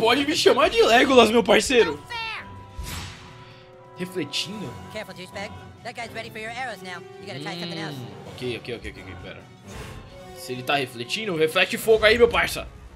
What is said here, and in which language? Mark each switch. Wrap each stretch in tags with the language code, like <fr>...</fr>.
<pt>Pode me chamar de Legolas, meu parceiro. Refletindo.</pt> <en>Careful, douchebag. That guy's ready for your arrows now. You gotta try something else.</en> <pt>Ok, pera. Se ele tá refletindo, reflete fogo aí, meu parça.</pt>